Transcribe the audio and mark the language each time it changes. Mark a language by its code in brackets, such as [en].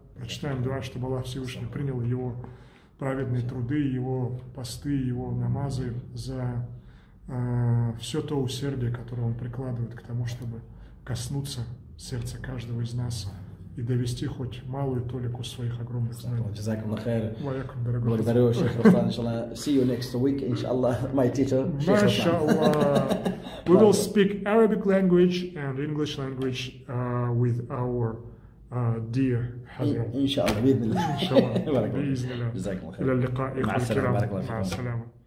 [ru] Прочитаем дуа, чтобы Аллах Всевышний принял его праведные труды, его посты, его намазы за все то усердие, которое он прикладывает к тому, чтобы коснуться сердца каждого из нас и довести хоть малую толику своих огромных знаний. [ar] Джазакум хайр. [ru] Ваякум, дорогой. Благодарю, шейх Руслан. Иншаллах. [en] See you next week, иншаллах. My teacher, [ru] шейх Руслан. Машаллах. [en] We will speak Arabic language and English language with our dear Hazrat. Иншаллах. [ar] Иншаллах. Джазакум хайр. Иля ллика. Ма ассаляму.